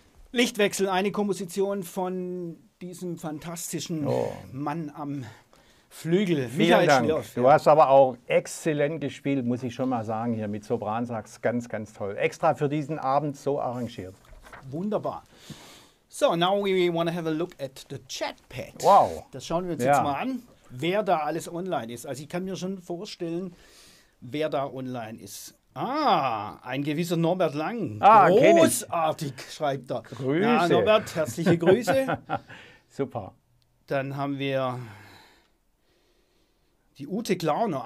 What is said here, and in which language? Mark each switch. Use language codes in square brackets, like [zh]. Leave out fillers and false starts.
[de] Lichtwechsel, eine Komposition von diesem fantastischen Mann am Flügel. Vielen Dank. Du hast aber auch exzellent gespielt, muss ich schon mal sagen, hier mit Sopransax. Ganz, ganz toll. Extra für diesen Abend so arrangiert. Wunderbar. [en] So, now we want to have a look at the Chatpad. Wow. [de] Das schauen wir uns jetzt mal an, wer da alles online ist. Also ich kann mir schon vorstellen, wer da online ist. Ah, ein gewisser Norbert Lang. Ah, großartig, schreibt er. Grüße. Ja, Norbert, herzliche Grüße. Super. Dann haben wir die Ute Klauner.